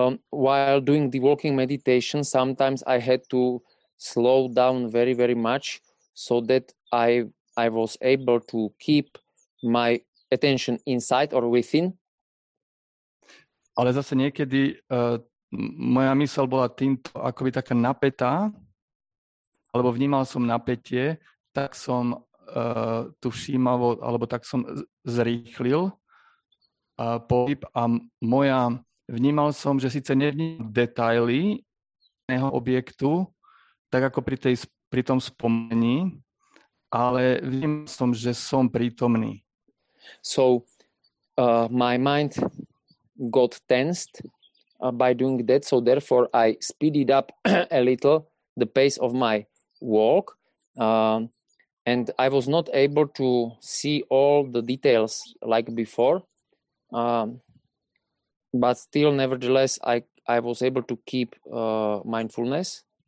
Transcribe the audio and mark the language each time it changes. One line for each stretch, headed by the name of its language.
English: While doing the walking meditation, sometimes I had to slow down very, very much so that I was able to keep my attention inside or within.
Slovak: Ale zase niekedy moja myseľ bola týmto akoby taká napätá, alebo vnímal som napätie, tak som tu všímavo, alebo tak som zrýchlil pohyb a moja, vnímal som, že síce nevnímam detaily neho objektu, tak ako pri tom spomení, ale vnímal som, že som prítomný.
English: So my mind got tensed by doing that, so therefore I speeded up a little the pace of my walk. And I was not able to see all the details like before, but still, nevertheless, I was able to keep mindfulness.